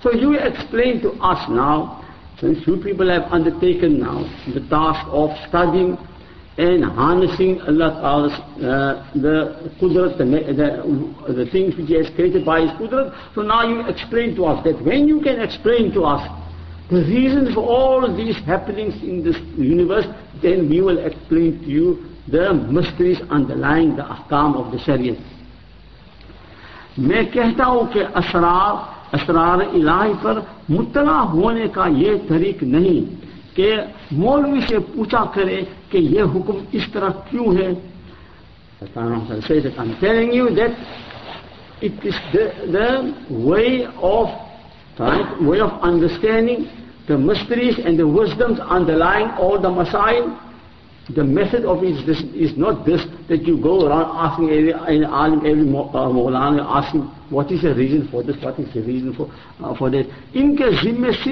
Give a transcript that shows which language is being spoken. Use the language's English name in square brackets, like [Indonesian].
[English] So you explain to us now, since you people have undertaken now the task of studying and harnessing Allah Ta'ala's the Qudrat, the things which He has created by His Qudrat. So now you explain to us that when you can explain to us the reason for all these happenings in this universe, then we will explain to you the mysteries underlying the ahkam of the Shariat. [Urdu] میں کہتا ہوں کہ اسرار الہی پر مطلع ہونے کا یہ طریق نہیں کہ مولوی سے پوچھا کرے کہ یہ حکم اس طرح کیوں ہے. [English] I'm telling you that it is the way of understanding the mysteries and the wisdoms underlying all the masail. The method of it is not this, that you go around asking every Mawlana, asking what is the reason for this, what is the reason for that.